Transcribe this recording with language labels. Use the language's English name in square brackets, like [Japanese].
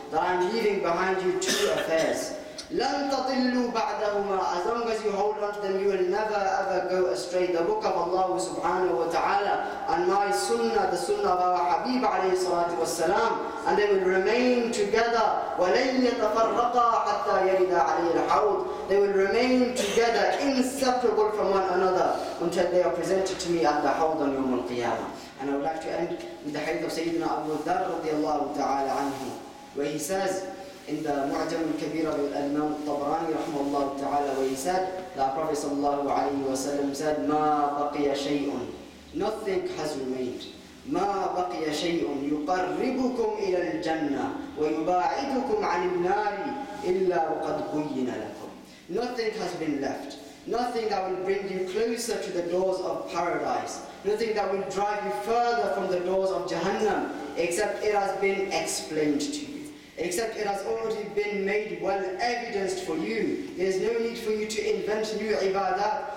[English] That I'm leaving behind you two affairs. [Arabic] لن تضلوا بعدهما. [English] As long as you hold on to them, you will never ever go astray. The book of Allah subhanahu wa ta'ala and my sunnah, the sunnah of our Habib alayhi salatu wa salam, and they will remain together. [Arabic] ولن يتفرقا حتى يلد علي الحوض. [English] They will remain together, inseparable from one another, until they are presented to me at the Hawd on Yawm al-Qiyamah. And I would like to end with the hadith of Sayyidina Abu Dharr radiallahu ta'ala anhu, where he says, in the Mu'jam al-Kabir of Imam al-Tabarani rahmahullahu ta'ala, where he said, the Prophet sallallahu alayhi wa sallam said, [Arabic] ma baqiya shay'un, [English] nothing has remained. [Arabic] ما بقي شيء يقربكم إلى الجنة ويباعدكم عن النار إلا وقد بين لكم. [English] Nothing has been left. Nothing that will bring you closer to the doors of paradise. Nothing that will drive you further from the doors of Jahannam. Except it has been explained to you. Except it has already been made well evidenced for you. There is no need for you to invent new ibadat.